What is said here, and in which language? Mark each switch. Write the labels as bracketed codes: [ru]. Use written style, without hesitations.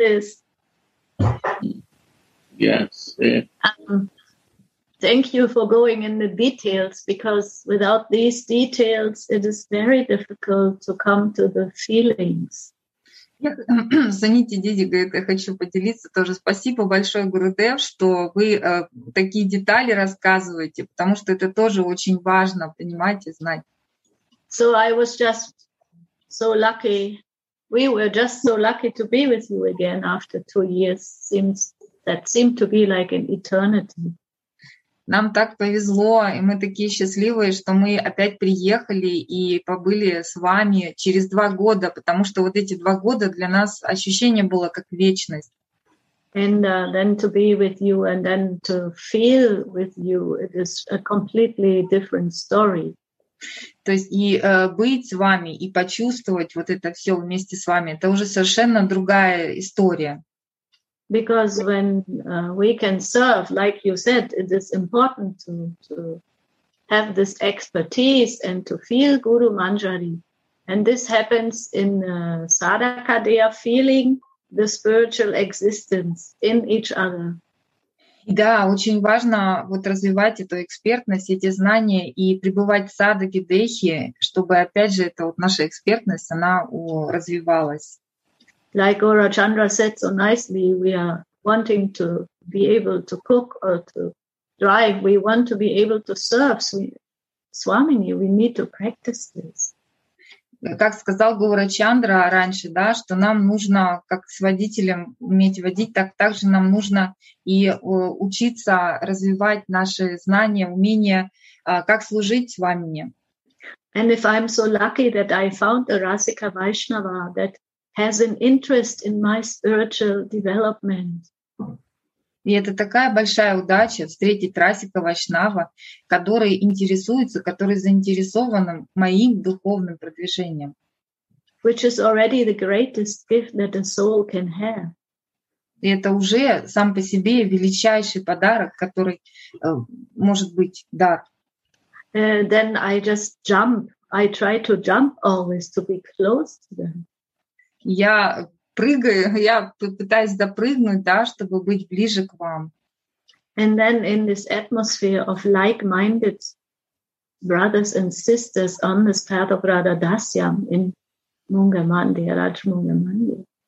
[en] Gurudev, I would like to share something on this. Yes. Thank you for going in the details, because without these details, it is very difficult to come to the feelings. [ru] Саните Диди говорит, я хочу поделиться тоже. Спасибо большое, Гурудев, что вы такие детали рассказываете, потому что это тоже очень важно понимать и знать. [en] So I was just so lucky, we were just so lucky to be with you again after 2 years. That seemed to be like an eternity. [ru] Нам так повезло, и мы такие счастливые, что мы опять приехали и побыли с вами через 2 года, потому что вот эти 2 года для нас ощущение было как вечность. [en] And then to be with you and then to feel with you, it is a completely different story. [ru] То есть и быть с вами, и почувствовать вот это все вместе с вами, это уже совершенно другая история. [en] Because when we can serve, like you said, it is important to have this expertise and to feel Guru Manjari. And this happens in Sadakadeya feeling the spiritual existence in each other. [ru] Да, очень важно вот развивать эту экспертность, эти знания и пребывать в садхаке дхе, чтобы опять же эта вот наша экспертность она развивалась. [en] Like Gaurachandra said so nicely, we are wanting to be able to cook or to drive. We want to be able to serve. Swamini, we need to practice this. [ru] Как сказал Гаурачандра раньше, да, что нам нужно как с водителем уметь водить, так также нам нужно и учиться развивать наши знания, умения, как служить Свамине. [en] And if I'm so lucky that I found a Rasika Vaishnava that has an interest in my spiritual development. [ru] И это такая большая удача встретить Расика Вайшнава, который интересуется, который заинтересован моим духовным продвижением. [en] Which is already the greatest gift that a soul can have. [ru] И это уже сам по себе величайший подарок, который может быть дар. [en] Then I just jump. I try to jump always to be close to them. [ru] Я прыгаю, я пытаюсь допрыгнуть, да, чтобы быть ближе к вам. [en] And then in this atmosphere of like-minded brothers and sisters on this path of Radha Dasyam in Mungamandir, Rajmungamandir.